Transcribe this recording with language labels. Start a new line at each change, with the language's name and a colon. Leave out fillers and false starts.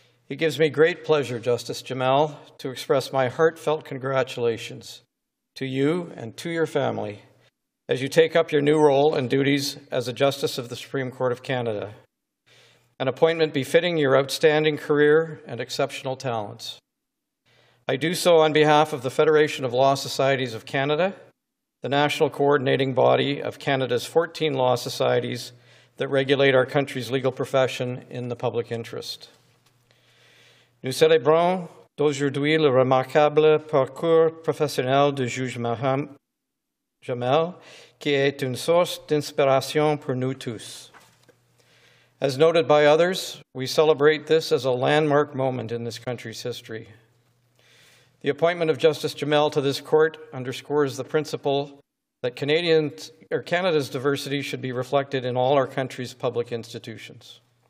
English: It gives me great pleasure, Justice Jamal, to express my heartfelt congratulations to you and to your family as you take up your new role and duties as a Justice of the Supreme Court of Canada, an appointment befitting your outstanding career and exceptional talents. I do so on behalf of the Federation of Law Societies of Canada, the national coordinating body of Canada's 14 law societies that regulate our country's legal profession in the public interest.
French: Nous célébrons aujourd'hui le remarquable parcours professionnel de Juge Mahmud Jamal, qui est une source d'inspiration pour nous tous.
English: As noted by others, we celebrate this as a landmark moment in this country's history. The appointment of Justice Jamal to this court underscores the principle that Canada's diversity should be reflected in all our country's public institutions.